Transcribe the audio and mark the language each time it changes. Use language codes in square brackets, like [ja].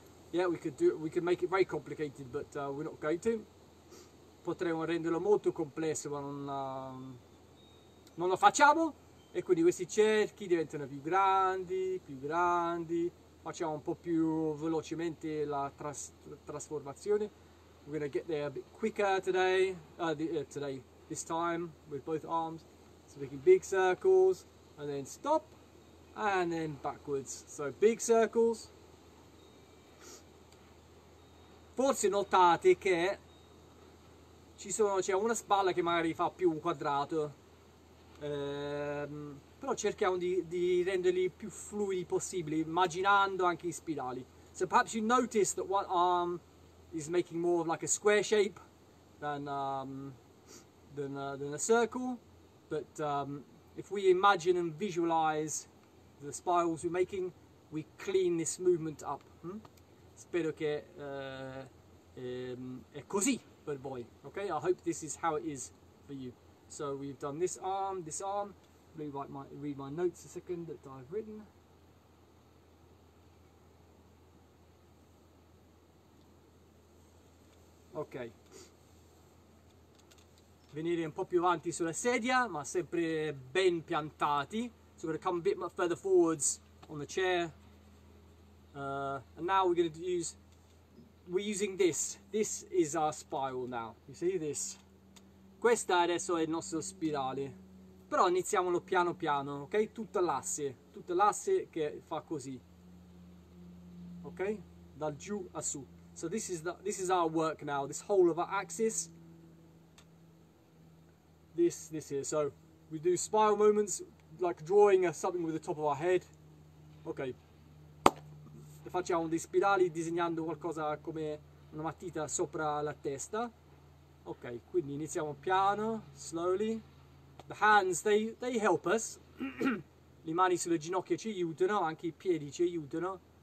[en] Yeah, we could make it very complicated, but we're not going to. [it] Potremmo renderlo molto complesso, ma non lo facciamo. E quindi questi cerchi diventano più grandi, facciamo un po' più velocemente la trasformazione. [en] We're gonna get there a bit quicker today, this time, with both arms. So making big circles. And then stop, and then backwards. So big circles. [it] Forse notate che c'è una spalla che magari fa più un quadrato. Però cerchiamo di renderli più fluidi possibili, immaginando anche i spirali. [en] So perhaps you notice that one arm is making more of like a square shape than a circle, but if we imagine and visualize the spirals we're making, we clean this movement up. [it] Spero che è così per voi. [en] Okay? I hope this is how it is for you. So we've done this arm. Let me read my notes a second that I've written. Okay. [it] Venire un po' più avanti sulla sedia, ma sempre ben piantati. [en] So we're gonna come a bit further forwards on the chair. And now we're using this. This is our spiral now. You see this? [it] Questa adesso è il nostro spirale. Però iniziamolo piano piano, ok? Tutta l'asse che fa così. Ok? Dal giù a su. [en] So this is our work now, this whole of our axis. This here. So we do spiral movements like drawing something with the top of our head. Ok. [it] Facciamo dei spirali disegnando qualcosa come una matita sopra la testa. Ok, quindi iniziamo piano, [en] slowly. The hands, they help us. [it] Le mani sulle ginocchia ci aiutano, anche i piedi ci aiutano.